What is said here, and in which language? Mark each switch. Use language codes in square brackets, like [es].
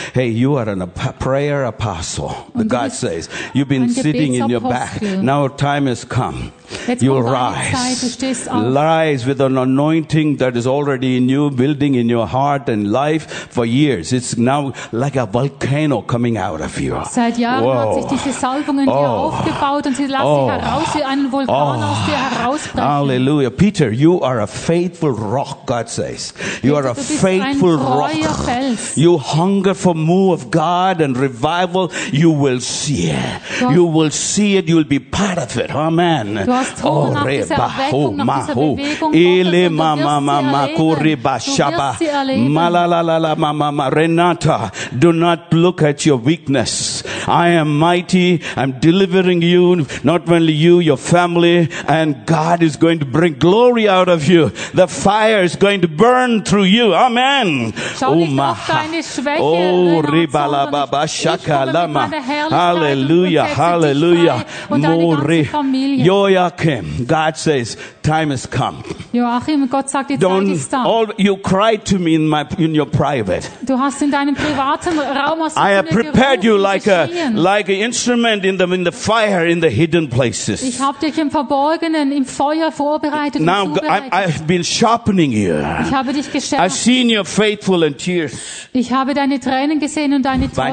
[en] Hey, you are a prayer apostle. The God says, you've been sitting in your back. Now time has come. You rise. Rise with an anointing that is already in you, building in your heart and life for years. It's now like a volcano coming out of you. [de] Seit Jahren Whoa. Hat sich diese Salbung in oh. dir aufgebaut und sie lässt oh. sich heraus wie einen Vulkan oh. aus dir herausbrechen. [en] Hallelujah. Peter, you are a faithful rock, God says. You are a faithful rock. [de] Fels. [en] You hunger for move of God and revival, you will see it. Doch. You will see it, you will be part of it. Amen. [de] Du hast Hunger nach dieser Erweckung, nach dieser Bewegung. Du wirst sie erleben. [en] Renata, do not look at your weakness. I am mighty. I'm delivering you, not only you, your family, and God is going to bring glory out of you. The fire is going to burn through you. Amen. [de] Schau nicht auf deine Schwäche, Renata, sondern ich komme mit meiner Herrlichkeit [en] Hallelujah. [de] Und deine ganze Familie. [en] Joachim, God says, time has come. [de] Joachim, Gott sagt, die Zeit ist da. [en] All, you cried to me in your private. [de] Du hast in deinem privaten Raum hast du [en] I have prepared you like an instrument in the fire in the hidden places. [de] Ich habe dich im Verborgenen im Feuer vorbereitet. [en] Now I've been sharpening you. [de] Ich habe dich geschärft. [en] I've seen your faithful and tears. [de] Ich habe deine Tränen gesehen und deine Treue.